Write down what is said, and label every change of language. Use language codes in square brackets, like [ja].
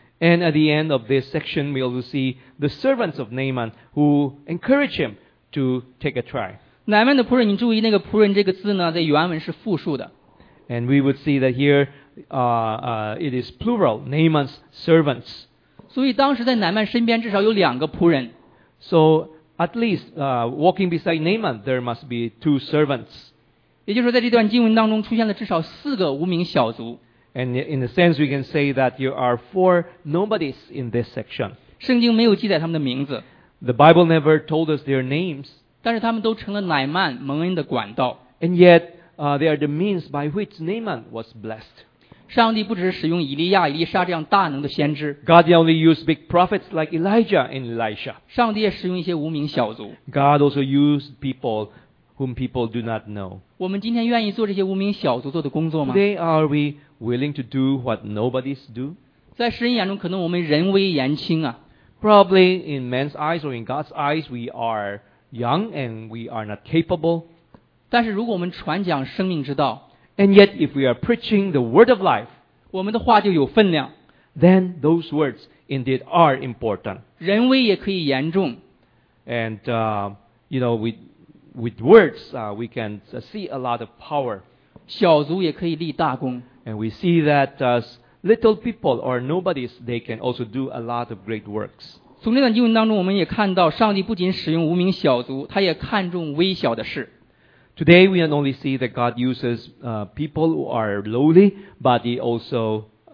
[en] And at the end of this section, we also see the servants of Naaman who encourage him to take a try. [zh] 乃曼的仆人，你注意那个仆人这个字呢，在原文是复数的。 [en] And we would see that here, it is plural, Naaman's servants. [zh] 所以当时在乃曼身边至少有两个仆人。 [en] So at least, walking beside Naaman, there must be two servants. [zh] 也就是说，在这段经文当中出现了至少四个无名小卒。 [en] And in a sense, we can say that you are four nobodies in this section. [zh] 圣经没有记载他们的名字。 [en] The Bible never told us their names. [zh] 但是他们都成了乃曼蒙恩的管道。 [en] And yet, they are the means by which Naaman was blessed. [zh] 上帝不只是使用以利亚、以利沙这样大能的先知。 [en] God not only used big prophets like Elijah and Elisha. [zh] 上帝也使用一些无名小卒。 [en] God also used people whom people do not know. [zh] 我们今天愿意做这些无名小卒做的工作吗 [en] ？Today are we willing to do what nobodies do? [zh] 在世人眼中，可能我们人微言轻啊。 [en] Probably in man's eyes or in God's eyes, we are young and we are not capable. [zh] 但是如果我们传讲生命之道 [en] ，and yet if we are preaching the word of life, [zh] 我们的话就有分量。 [en] Then those words indeed are important. [zh] 人微也可以言重。 [en] And you know with words, we can see a lot of power. [zh] 小卒也可以立大功。 [en] And we see that as little people or nobodies, they can also do a lot of great works. [zh] 从这段经文当中，我们也看到，上帝不仅使用无名小卒，他也看重微小的事。 [en] Today we not only see that God uses people who are lowly, but He also